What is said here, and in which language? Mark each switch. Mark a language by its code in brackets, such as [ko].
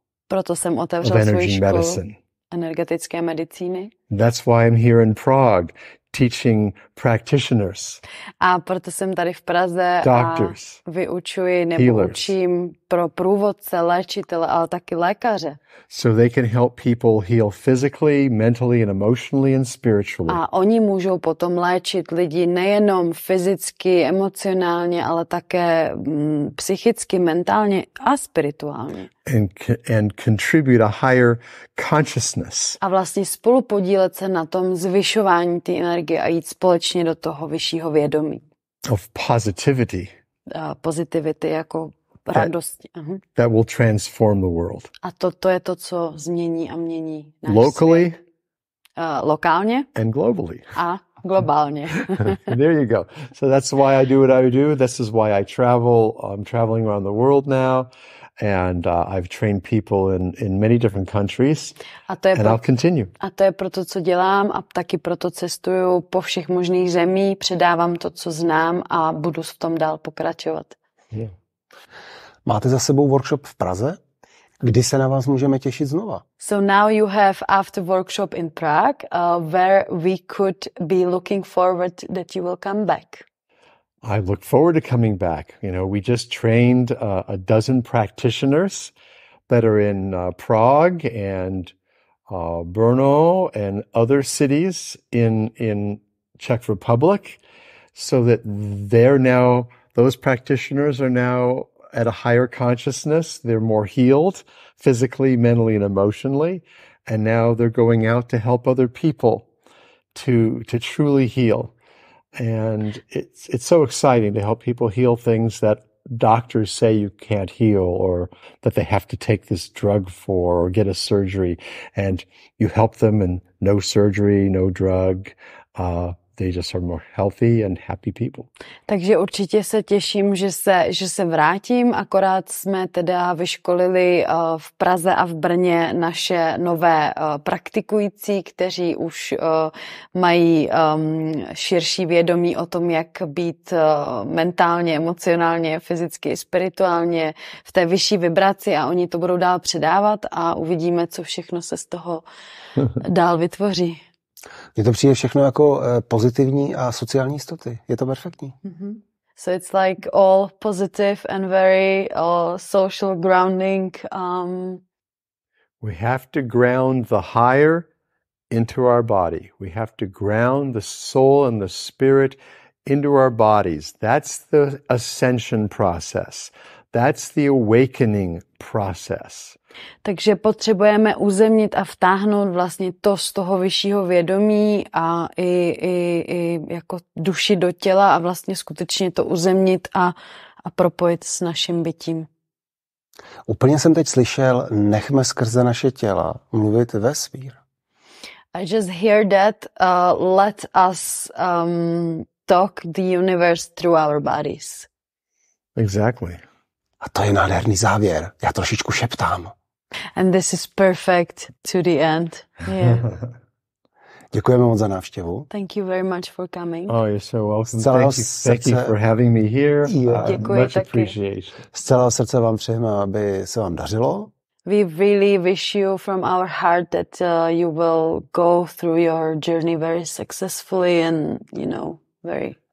[cs] Proto jsem otevřel svou školu medicine. Energetické medicíny. [en] That's why I'm here in Prague. Teaching practitioners. [cs] A proto jsem tady v Praze [en] doctors, [cs] a vyučuji nebo [en] healers. [cs] Učím pro průvodce, léčitele, ale taky lékaře. [en] So they can help people heal physically, mentally and emotionally and spiritually. [cs] A oni můžou potom léčit lidi nejenom fyzicky, emocionálně, ale také psychicky, mentálně a spirituálně. [en] And contribute a higher consciousness. [cs] A vlastně spolupodílet se na tom zvyšování té energie a jít společně do toho vyššího vědomí. [en] Of positivity. [cs] Positivity jako radosti. [en] That, that will transform the world. [cs] A to je to, co změní a mění náš svět. [en] Locally. [cs] Lokálně. [en] And globally. [cs] A globálně. [en] There you go. So that's why I do what I do. This is why I travel. I'm traveling around the world now. And I've trained people in many different countries. I'll continue. [cs] A to je proto, co dělám a taky proto cestuju po všech možných zemích, předávám to, co znám a budu v tom dál pokračovat. Yeah. Máte za sebou workshop v Praze? Kdy se na vás můžeme těšit znova? [en] So now you have after workshop in Prague, where we could be looking forward that you will come back. I look forward to coming back. You know, we just trained a dozen practitioners that are in Prague and Brno and other cities in Czech Republic, so that they're now, those practitioners are now at a higher consciousness, they're more healed physically, mentally, and emotionally, and now they're going out to help other people to truly heal. And it's so exciting to help people heal things that doctors say you can't heal, or that they have to take this drug for, or get a surgery, and you help them, and no surgery, no drug, they just are more healthy and happy people. [cs] Takže určitě se těším, že se vrátím. Akorát jsme teda vyškolili v Praze a v Brně naše nové praktikující, kteří už mají širší vědomí o tom, jak být mentálně, emocionálně, fyzicky, spirituálně v té vyšší vibraci, a oni to budou dál předávat a uvidíme, co všechno se z toho dál vytvoří. Mně to přijde všechno jako pozitivní a sociální jistoty. Je to perfektní. Mm-hmm. [en] So it's like all positive and very social grounding. We have to ground the higher into our body. We have to ground the soul and the spirit into our bodies. That's the ascension process. That's the awakening process. [cs] Takže potřebujeme uzemnit a vtáhnout vlastně to z toho vyššího vědomí a i jako duši do těla a vlastně skutečně to uzemnit a propojit s naším bytím. Úplně jsem teď slyšel, nechme skrze naše těla mluvit vesmír. [en] I just hear that, let us talk the universe through our bodies. Exactly. [cs] A to je nádherný závěr. Já trošičku šeptám. [en] And this is perfect to the end. Yeah. [cs] Děkujeme moc za návštěvu. [en] Thank you very much for coming. Oh, you're so welcome. Thank you for having me here. [cs] Děkuji [en] much appreciate. [cs] Z celého srdce vám přejeme, aby se vám dařilo. [en] We really wish you from our heart that you will go through your journey very successfully and, you know, very...